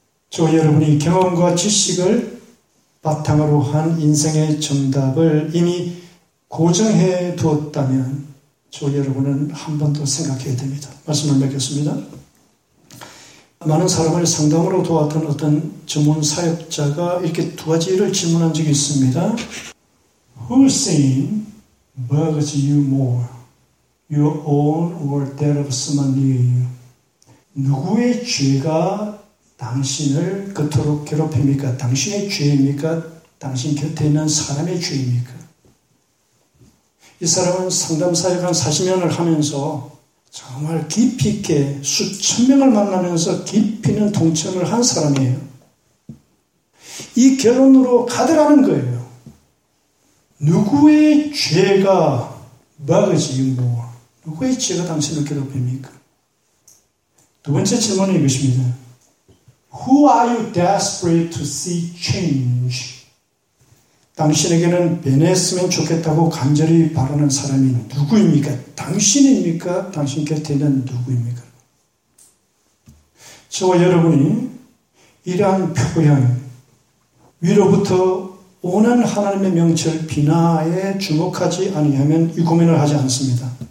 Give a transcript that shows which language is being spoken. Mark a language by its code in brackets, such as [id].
[ko] 저와 여러분이 경험과 지식을 바탕으로 한 인생의 정답을 이미 고정해 두었다면 저 여러분은 한 번 더 생각해야 됩니다. 말씀을 맺겠습니다. 많은 사람을 상담으로 도왔던 어떤 전문 사역자가 이렇게 두 가지를 질문한 적이 있습니다. [en] Whose sin bugs you more? Your own or that of someone near you? [ko] 누구의 죄가 당신을 그토록 괴롭힙니까? 당신의 죄입니까? 당신 곁에 있는 사람의 죄입니까? 이 사람은 상담사역 한 40년을 하면서 정말 깊이 있게 수천 명을 만나면서 깊이는 동참을 한 사람이에요. 이 결론으로 가더라는 거예요. 누구의 죄가 뭐가지? 누구의 죄가 당신을 괴롭힙니까? 두 번째 질문은 이것입니다. [en] Who are you desperate to see change? [ko] 당신에게는 변했으면 좋겠다고 간절히 바라는 사람이 누구입니까? 당신입니까? 당신 곁에 있는 누구입니까? 저와 여러분이 이러한 표현, 위로부터 오는 하나님의 명철 비나에 주목하지 아니하면 이 고민을 하지 않습니다.